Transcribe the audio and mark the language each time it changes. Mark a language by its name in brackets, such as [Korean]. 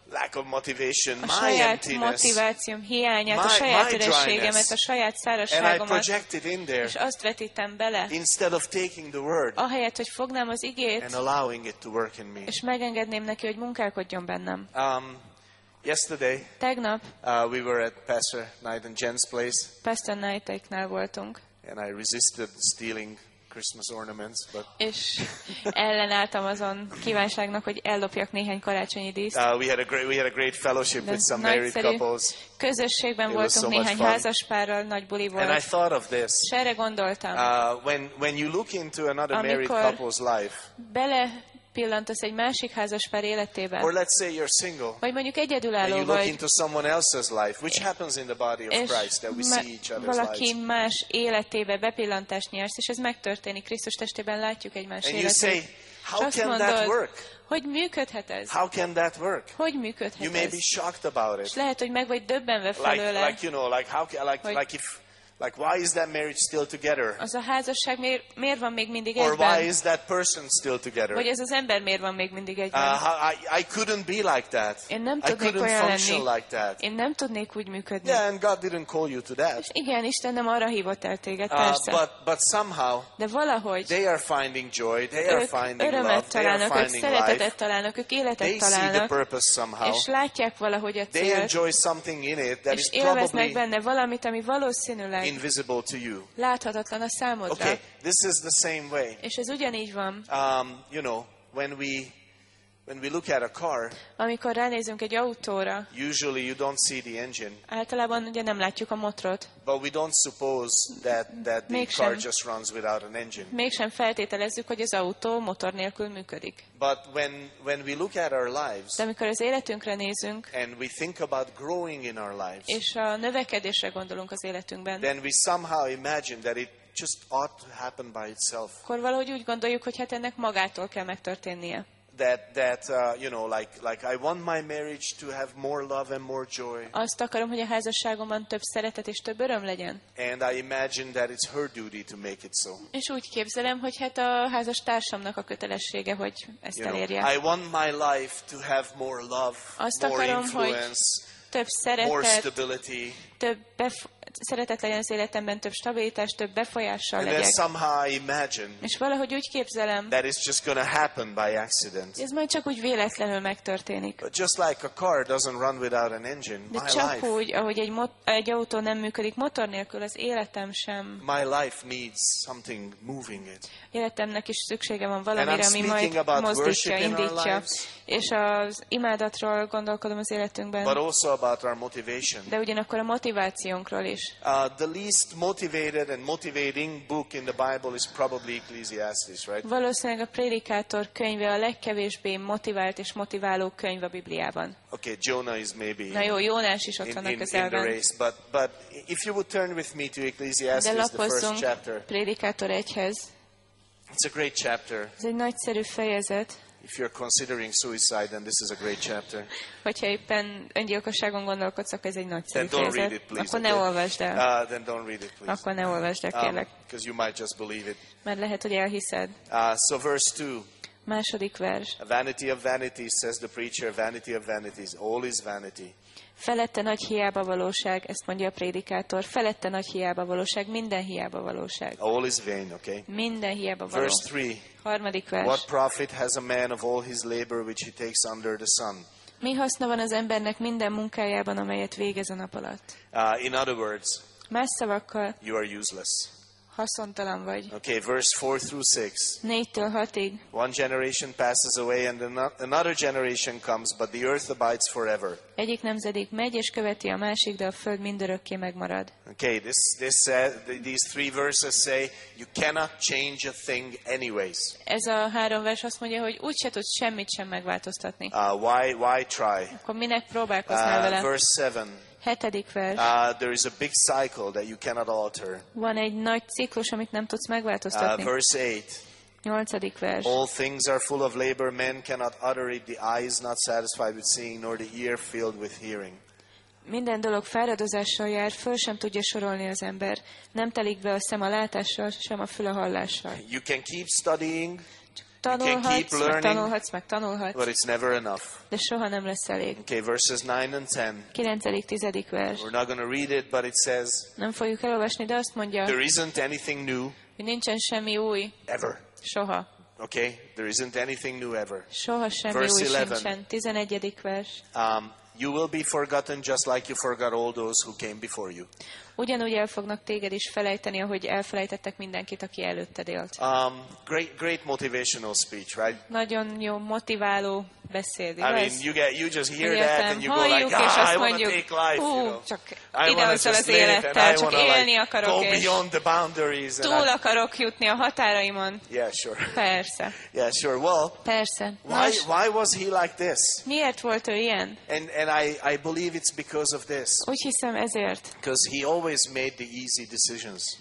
[English] lack of motivation, [Hungarian] a saját [English] my emptiness, [Hungarian] motivációm hiányát, a saját ürességemet, a saját szárazságomat, és azt vetítem bele, [English] instead of taking the word, [Hungarian] ahelyett, hogy fognám az igét, [English] and allowing it to work in me. [Hungarian] És megengedném neki, hogy munkálkodjon bennem. [English] Yesterday, [Hungarian] tegnap, [English] we were at Pastor Knight and Jen's place. [Hungarian] Pastor Knight-eknál voltunk. [English] And I resisted stealing Christmas ornaments, but. [Hungarian] És ellenálltam azon kívánságnak, hogy ellopjak néhány karácsonyi díszt. [English] We had a great fellowship with some married couples. [Hungarian] Közösségben [English] it [Hungarian] voltunk [English] so [Hungarian] néhány házaspárral, nagy buli volt. [English] And I thought of this. [Hungarian] És erre gondoltam. [English] When you look into another married couple's life. [Hungarian] Bele pillantasz egy másik házaspár életében. [English] Or let's say you're single. [Hungarian] Vagy mondjuk egyedülálló vagy. [English] You look into someone else's life, which happens in the body of Christ that we see each other's lives. [Hungarian] Valaki más életébe bepillantást nyersz, és ez megtörténik. Krisztus testében látjuk egymás életét. [English] And you say, how can that work? [Hungarian] Hogy működhet ez? [English] How can that work? [Hungarian] Hogy működhet ez? [English] You may be shocked about it. [Hungarian] És lehet, hogy meg vagy döbbenve felőle. [English] Like you know, like how like if Like, why is that marriage still together? [Hungarian] Az a házasság miért van még mindig egyben? [English] Or why is that person still together? [Hungarian] Vagy ez az ember miért van még mindig egyben? [English] I couldn't be like that. [Hungarian] Én nem tudnék olyan lenni. [English] I couldn't function like that. [Hungarian] Én nem tudnék úgy működni. [English] Yeah, and God didn't call you to that. [Hungarian] És igen, Isten nem arra hívott el téged, persze. [English] But somehow, [Hungarian] de valahogy, [English] they are finding joy, they are finding love, [Hungarian] örömet találnak, [English] they are finding life. [Hungarian] Ők szeretetet találnak, ők életet találnak. [English] They see the purpose somehow. [Hungarian] És látják valahogy a célt. [English] They enjoy something in it that is probably, [Hungarian] és élveznek benne valamit, ami valószínűleg [English] invisible to you. [Hungarian] Láthatatlan a számodra. [English] Okay, this is the same way. [Hungarian] És ez ugyanígy van. [English] You know, when we look at a car, [Hungarian] amikor ránézünk egy autóra, [English] usually you don't see the engine. [Hungarian] Általában ugye nem látjuk a motort. [English] But we don't suppose that the [Hungarian] mégsem, [English] car just runs without an engine. [Hungarian] Mégsem feltételezzük, hogy az autó motor nélkül működik. [English] But when we look at our lives, [Hungarian] de amikor az életünkre nézünk, [English] and we think about growing in our lives, [Hungarian] és a növekedésre gondolunk az életünkben, [English] then we somehow imagine that it just ought to happen by itself. [Hungarian] Akkor valahogy úgy gondoljuk, hogy hát ennek magától kell megtörténnie. [English] You know, like I want my marriage to have more love and more joy. [Hungarian] Azt akarom, hogy a házasságomban több szeretet és több öröm legyen. [English] And I imagine that it's her duty to make it so. [Hungarian] És úgy képzelem, hogy hát a házastársamnak a kötelessége, hogy ezt elérje. [English] I want my life to have more love, [Hungarian] azt [English] more [Hungarian] akarom, [English] influence, [Hungarian] több szeretet, [English] more stability. [Hungarian] Szeretet legyen az életemben, több stabilitás, több befolyással legyek. [English] And then somehow I imagine, [Hungarian] és valahogy úgy képzelem, [English] that it's just gonna happen by accident. [Hungarian] Ez majd csak úgy véletlenül megtörténik. [English] But just like a car doesn't run without an engine, [Hungarian] de csak úgy, ahogy egy autó nem működik motor nélkül, az életem sem. [English] My life needs something moving it. [Hungarian] Életemnek is szüksége van valamire, ami majd mozdítja, indítja. És az imádatról gondolkodom az életünkben. [English] But also about our motivation. [Hungarian] De ugyanakkor a motivációnkról is. [English] The least motivated and motivating book in the Bible is probably Ecclesiastes, right? [Hungarian] Valószínűleg a Prédikátor könyve a legkevésbé motivált és motiváló könyv a Bibliában. [English] Okay, Jonah is maybe. [Hungarian] Na jó, Jónás is ott van a közelben. [English] In the race, but if you would turn with me to Ecclesiastes, the first chapter. [Hungarian] Prédikátor 1-hez. [English] It's a great chapter. [Hungarian] Ez egy nagyszerű fejezet. [English] If you're considering suicide, then this is a great chapter. [Hungarian] Hogyha éppen öngyilkosságon gondolkodsz, akkor ez egy nagy fejezet. [English] Then don't read it, please. [Hungarian] Akkor ne olvasd el. [English] Then don't read it, please. [Hungarian] Akkor ne olvasd el, kérlek. [English] Because you might just believe it. [Hungarian] Mert lehet, hogy elhiszed. [English] So verse 2. [Hungarian] Második vers. [English] A vanity of vanities, says the preacher. Vanity of vanities, all is vanity. [Hungarian] Felette nagy hiába valóság, ezt mondja a prédikátor. Felette nagy hiába valóság, minden hiába valóság. [English] All is vain, okay? [Hungarian] Minden hiába való. [English] Verse 3. [Hungarian] Harmadik vers. [English] What profit has a man of all his labor which he takes under the sun? [Hungarian] Mi haszna van az embernek minden munkájában, amelyet végez a nap alatt? [English] In other words, [Hungarian] más szavakkal, [English] you are useless. [Hungarian] Haszontalan vagy. [English] Okay, verse 4 through 6. [Hungarian] 4-től 6-ig. [English] One generation passes away and another generation comes, but the earth abides forever. [Hungarian] Egyik nemzedék megy és követi a másik, de a föld mindörökké megmarad. [English] Okay, these three verses say you cannot change a thing anyways. [Hungarian] Ez a három vers azt mondja, hogy úgyse tudsz semmit sem megváltoztatni. [English] Why try? [Hungarian] Akkor minek próbálkoznál vele? [English] Verse 7. [Hungarian] Hetedik vers. [English] There is a big cycle that you cannot alter. [Hungarian] Van egy nagy ciklus, amit nem tudsz megváltoztatni. [English] Verse 8. [Hungarian] Nyolcadik vers. [English] All things are full of labor, men cannot utter it, the eye is not satisfied with seeing, nor the ear filled with hearing. [Hungarian] Minden dolog fáradozással jár, föl sem tudja sorolni az ember. Nem telik be a szem a látással, sem a fül a hallással. [English] You can keep studying. [Hungarian] Tanulhatsz, [English] you can keep learning, [Hungarian] tanulhatsz, meg tanulhatsz, [English] but it's never enough. [Hungarian] De soha nem lesz elég. [English] Okay, verses 9 and 10. [Hungarian] 9. 10. vers. [English] We're not going to read it, but it says, [Hungarian] nem fogjuk elolvasni, de azt mondja, [English] there isn't anything new, [Hungarian] nincsen semmi új, [English] ever. [Hungarian] Soha. [English] Okay, there isn't anything new ever. [Hungarian] Soha semmi [English] verse [Hungarian] új 11. sincsen. 11. vers. [English] You will be forgotten just like you forgot all those who came before you. [Hungarian] Ugyanúgy el fognak téged is felejteni, ahogy elfelejtettek mindenkit, aki előtted élt. [English] Great motivational speech, right? [Hungarian] Nagyon jó motiváló beszéd, igaz? [English] I mean, you just hear that and you go like, I want to take life, you know. I want to just live [Hungarian] élettel, [English] and I want to like, go beyond the boundaries. [Hungarian] Túl akarok jutni a határaimon. [English] Yeah, sure. [Hungarian] Persze. [English] Yeah, sure. Well, [Hungarian] persze. [English] Why was he like this? [Hungarian] Miért volt ő ilyen? [English] And I believe it's because of this. [Hungarian] Úgy hiszem ezért. [English] Because he always made the easy decisions.